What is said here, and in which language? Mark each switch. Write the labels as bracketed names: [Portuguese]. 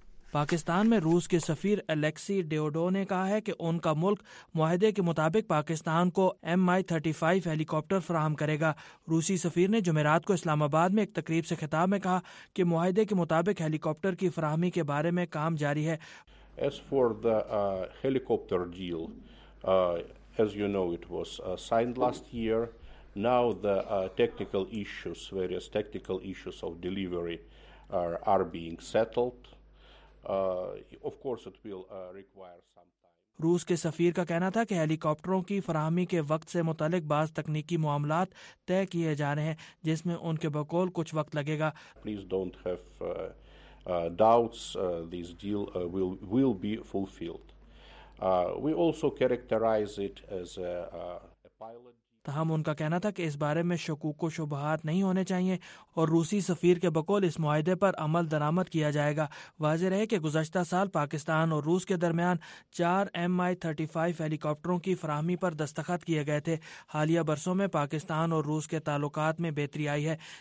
[Urdu] پاکستان میں روس کے سفیر الیکسی ڈیوڈو نے کہا ہے کہ ان کا ملک معاہدے کے مطابق پاکستان کو MI-35 ہیلی کاپٹر فراہم کرے گا۔ روسی سفیر نے جمعرات کو اسلام آباد میں ایک تقریب سے خطاب میں کہا کہ معاہدے کے مطابق ہیلی کاپٹر کی فراہمی کے بارے میں کام جاری ہے۔ [English] As for the helicopter deal, as you know, it was signed last year. Now the technical issues, various technical issues of delivery are being settled. Of course, it will require some time. [Urdu] روس کے سفیر کا کہنا تھا کہ ہیلی کاپٹروں کی فراہمی کے وقت سے متعلق بعض تکنیکی معاملات طے کیے جا رہے ہیں، جس میں ان کے بقول کچھ وقت لگے گا۔ [English] Please don't have doubts, this deal will be fulfilled. We also characterize it as a pilot. [Urdu] تاہم ان کا کہنا تھا کہ اس بارے میں شکوک و شبہات نہیں ہونے چاہیے، اور روسی سفیر کے بقول اس معاہدے پر عمل درآمد کیا جائے گا۔ واضح رہے کہ گزشتہ سال پاکستان اور روس کے درمیان 4 MI-35 ہیلی کاپٹروں کی فراہمی پر دستخط کیے گئے تھے۔ حالیہ برسوں میں پاکستان اور روس کے تعلقات میں بہتری آئی ہے،